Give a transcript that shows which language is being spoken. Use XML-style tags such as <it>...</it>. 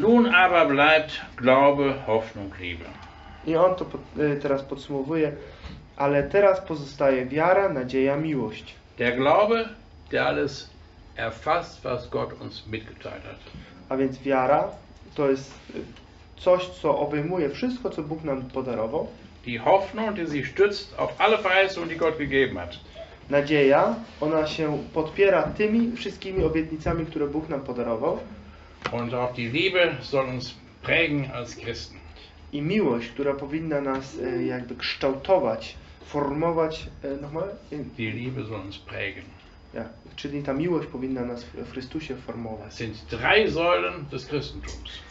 <de>Nun aber bleibt Glaube, Hoffnung, Liebe.</de> <pl>I on to teraz podsumowuje. Ale teraz pozostaje wiara, nadzieja, miłość.</pl> <de>Der Glaube, der alles erfasst, was Gott uns mitgeteilt hat.</de> <pl>A więc wiara to jest coś, co obejmuje wszystko, co Bóg nam podarował.</pl> <de>Die Hoffnung, die sich stützt auf alle Verheißungen, die Gott gegeben hat.</de> <pl>Nadzieja, ona się podpiera tymi wszystkimi obietnicami, które Bóg nam podarował.</pl> <de>Und auch die Liebe soll uns prägen als Christen.</de> <pl>I miłość, która powinna nas jakby kształtować, formować,</pl> <de>nochmal? Die Liebe soll uns prägen.</de> <pl>Ja, czyli ta miłość powinna nas w Chrystusie formować.</pl> <de>Das sind drei Säulen des Christentums.</de>